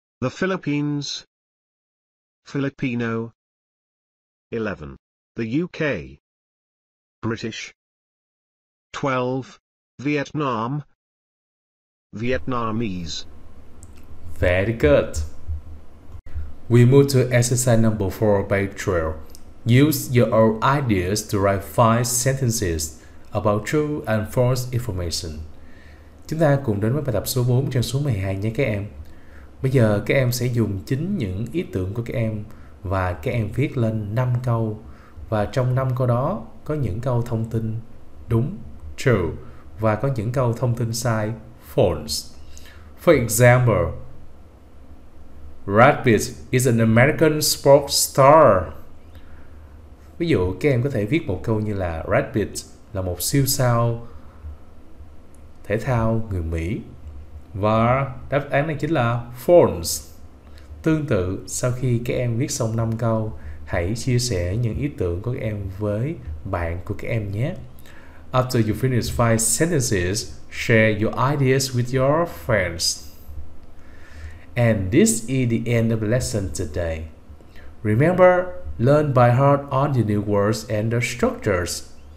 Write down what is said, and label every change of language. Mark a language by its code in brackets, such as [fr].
[en] The Philippines. Filipino. 11. The UK. British. 12. Vietnam. Vietnamese. Very good. We move to exercise number 4 by trail. Use your own ideas to write 5 sentences about true and false information. [vi] Chúng ta cùng đến với bài tập số 4 trang số 12 nhé các em. Bây giờ các em sẽ dùng chính những ý tưởng của các em và các em viết lên 5 câu. Và trong 5 câu đó có những câu thông tin đúng, true, và có những câu thông tin sai, false. [en] For example, rugby is an American sports star. [vi] Ví dụ, các em có thể viết một câu như là rugby là một siêu sao thể thao người Mỹ. Và đáp án này chính là false. Tương tự, sau khi các em viết xong 5 câu, hãy chia sẻ những ý tưởng của các em với bạn của các em nhé. [en] After you finish 5 sentences, share your ideas with your friends. And this is the end of the lesson today. Remember, learn by heart all the new words and the structures.